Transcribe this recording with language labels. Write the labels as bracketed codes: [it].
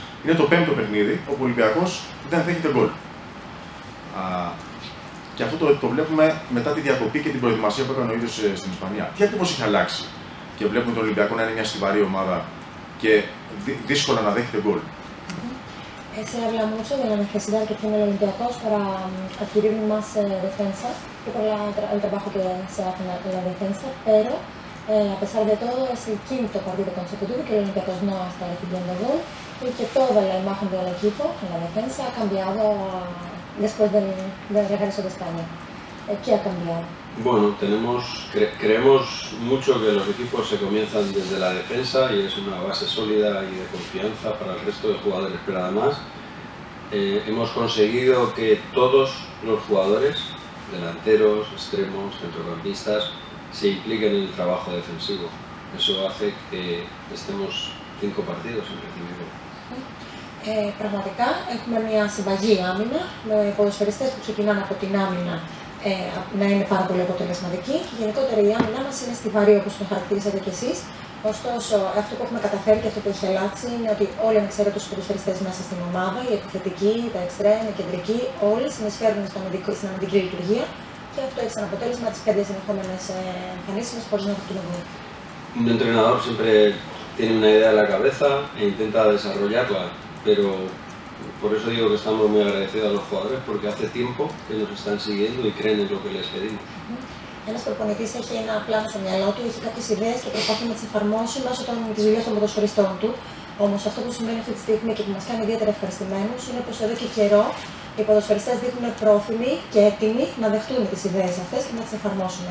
[el] Είναι το πέμπτο παιχνίδι όπου ο Ολυμπιακός δεν δέχεται γκολ. Και αυτό το βλέπουμε μετά τη διακοπή και την προετοιμασία που έκανε ο ίδιος στην Ισπανία. Τι ακριβώς έχει αλλάξει και βλέπουμε τον Ολυμπιακό να είναι μια στιβαρή ομάδα και δύσκολα να δέχεται γκολ? [es] Se habla mucho de la necesidad que tiene el Olympiacos para adquirir más defensa y por el trabajo que se hace en la defensa, pero a pesar de todo es el quinto partido consecutivo que el Olympiacos no está recibiendo gol y que toda la imagen del equipo en la defensa ha cambiado después del regreso de España. ¿Qué ha cambiado? Bueno, creemos mucho que los equipos se comienzan desde la defensa y es una base sólida y de confianza para el resto de jugadores, pero además hemos conseguido que todos los jugadores, delanteros, extremos, centrocampistas, se impliquen en el trabajo defensivo. Eso hace que estemos cinco partidos en recibirlo. [el] Πραγματικά έχουμε μια συμβαγή άμυνα με ποδοσφαιριστές που ξεκινάνε από την άμυνα να είναι πάρα πολύ αποτελεσματική. Γενικότερα η άμυνα μας είναι στιβαρή όπως το χαρακτηρίσατε κι εσείς. Ωστόσο, αυτό που έχουμε καταφέρει και αυτό που έχει αλλάξει είναι ότι όλοι οι εξαιρετικοί ποδοσφαιριστές μέσα στην ομάδα, οι επιθετικοί, τα εξτρέμ, οι κεντρικοί, όλοι συνεισφέρουν στην αμυντική λειτουργία και αυτό έχει σαν αποτέλεσμα τις πέντε συνεχόμενες εμφανίσεις μας χωρίς να το κλείσουμε. [es] Ο entrenador siempre tiene una idea en la cabeza e intenta desarrollarla. Pero por eso digo que estamos muy agradecidos a los jugadores porque hace tiempo que nos están siguiendo y creen en lo que les pedimos. [el] Ένας προπονητής έχει ένα πλάνο στο μυαλό του, έχει κάποιες ιδέες και προσπαθεί να τις εφαρμόσει μέσω της δουλειάς των ποδοσφαιριστών του. Όμως αυτό που σημαίνει αυτή τη στιγμή και που μας κάνει ιδιαίτερα ευχαριστημένους είναι πως εδώ και καιρό οι ποδοσφαιριστές δείχνουν πρόθυμοι και έτοιμοι να δεχτούν τις ιδέες αυτές και να τις εφαρμόσουν.